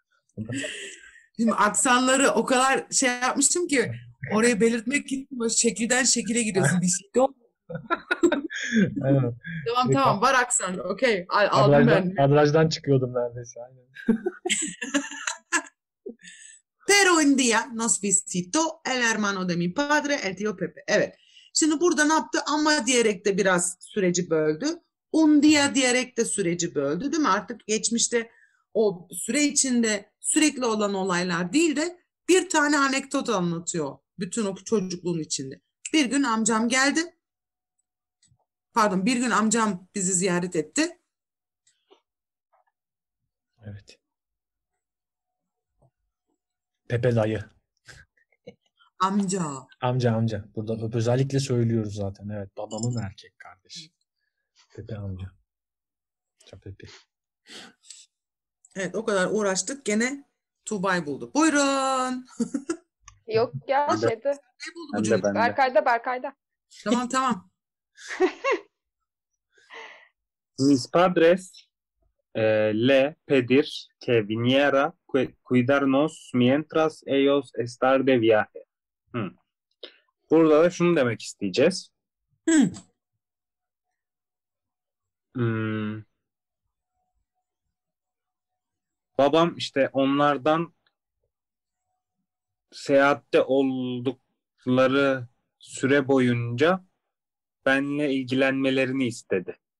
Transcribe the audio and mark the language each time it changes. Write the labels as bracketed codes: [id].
[tr] aslında. Şimdi aksanları o kadar şey yapmıştım ki oraya belirtmek için şekilden şekile gidiyorsun. Bir şey de olmuyor. Tamam tamam var aksan. Okey. Adrajdan çıkıyordum neredeyse. Aynen. [es] Pero un día nos visitó el hermano de mi padre, el tío Pepe. [tr] Evet. Şimdi burada ne yaptı? Ama diyerek de biraz süreci böldü. [es] Un día [tr] diyerek de süreci böldü. Değil mi? Artık geçmişte o süre içinde sürekli olan olaylar değil de bir tane anekdot anlatıyor. Bütün o çocukluğun içinde. Bir gün amcam geldi. Pardon, bir gün amcam bizi ziyaret etti. Evet. Pepe dayı. Amca. Amca. Burada özellikle söylüyoruz zaten. Evet, babamın erkek kardeşi. Pepe amca. Ça Pepe. Evet, o kadar uğraştık. Gene Tuğba'yı bulduk. Buyurun. Yok ya, ben şeyde. De. Ne buldu bu çocuk? Berkay'da. Tamam. [es] Mis padres le pedir que viniera cuidarnos mientras ellos estar de viaje. [tr] Burada da şunu demek isteyeceğiz. Babam işte onlardan seyahatte oldukları süre boyunca benle ilgilenmelerini istedi.